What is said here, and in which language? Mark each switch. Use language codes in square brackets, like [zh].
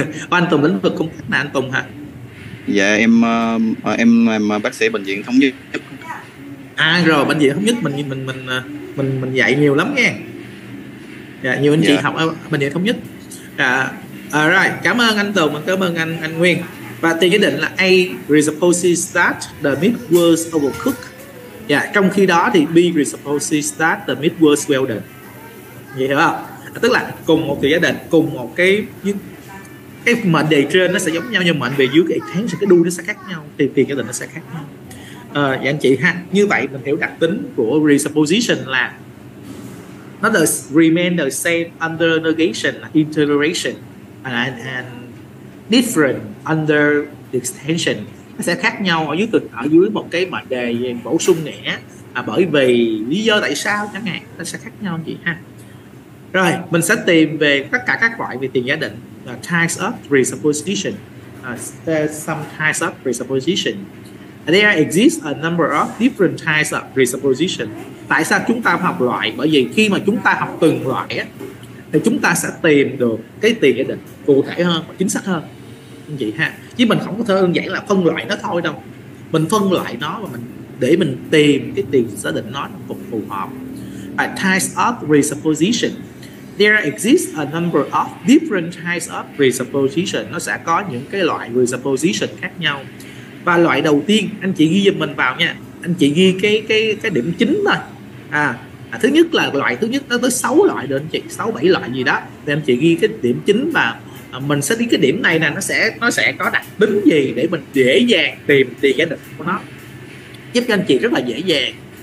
[vi] Anh Tùng lĩnh vực công tác nào anh Tùng hả? Dạ em bác sĩ bệnh viện Thống Nhất. À rồi, bệnh viện Thống Nhất mình dạy nhiều lắm nha. Dạ, nhiều anh chị học ở bệnh viện Thống Nhất. Dạ. Alright, cảm ơn anh Tùng, cảm ơn anh Nguyên. Và thì quyết định là [en] A presupposes that the meat was overcooked. [vi] Dạ, trong khi đó thì [en] B presupposes that the meat was well done. [vi] Vậy hiểu không? Tức là cùng một cái gia đình, cùng một cái mệnh đề trên nó sẽ giống nhau, nhưng mệnh về dưới cái tháng sẽ cái đuôi nó sẽ khác nhau, thì tiền gia đình nó sẽ khác nhau. Dạ anh chị ha, như vậy mình hiểu đặc tính của presupposition là nó [en] does remain the same under negation, interpretation and different under extension. [vi] Nó sẽ khác nhau ở dưới cực, ở dưới một cái mệnh đề bổ sung nhẹ, bởi vì lý do tại sao chẳng hạn, nó sẽ khác nhau anh chị ha. Rồi, mình sẽ tìm về tất cả các loại về tiền giả định, types of presupposition. [en] There's some types of presupposition. There exist a number of different types of presupposition. [vi] Tại sao chúng ta học loại? Bởi vì khi mà chúng ta học từng loại á, thì chúng ta sẽ tìm được cái tiền giả định cụ thể hơn và chính xác hơn. Anh chị ha. Chứ mình không có thể đơn giản là phân loại nó thôi đâu. Mình phân loại nó và mình để mình tìm cái tiền giả định nó phù hợp. [en] Types of presupposition. There exist a number of different types of presupposition. [vi] Nó sẽ có những cái loại presupposition khác nhau. Và loại đầu tiên, anh chị ghi giùm mình vào nha. Anh chị ghi cái điểm chính thôi. Thứ nhất là loại thứ nhất, nó tới 6 loại rồi anh chị, 6-7 loại gì đó. Thì anh chị ghi cái điểm chính vào. Mình sẽ đi cái điểm này nè, nó sẽ có đặc tính gì để mình dễ dàng tìm tiền giả định của nó, giúp cho anh chị rất là dễ dàng.